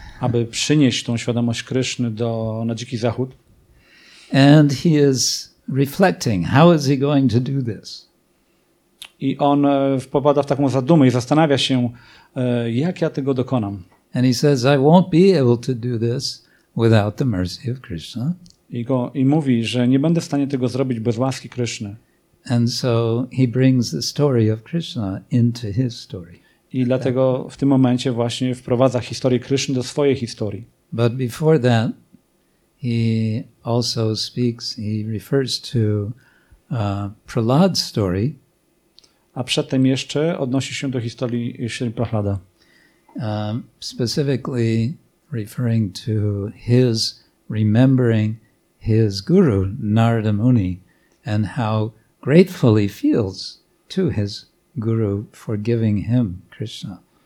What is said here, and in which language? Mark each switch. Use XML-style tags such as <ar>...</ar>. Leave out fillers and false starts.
<pl>Aby przynieść tą świadomość Kryszny na Dziki Zachód.</pl> <en>And he is reflecting. How is he going to do this?</en> <pl>I on wpada w taką zadumę i zastanawia się, jak ja tego dokonam.</pl> <en>And he says, I won't be able to do this without the mercy of Krishna.</en> <pl>I mówi, że nie będę w stanie tego zrobić bez łaski Kryszny.</pl> <en>And so he brings the story of Krishna into his story.</en> <pl>I dlatego w tym momencie właśnie wprowadza historię Kryszny do swojej historii.</pl> <en>But before that, he also speaks, he refers to Prahlad's story.</en> <pl>A przedtem jeszcze odnosi się do historii Śrī Prahlada.</pl> <en>Specifically referring to his remembering his guru, Narada Muni, and how grateful he feels to his guru for giving him Krishna.</en>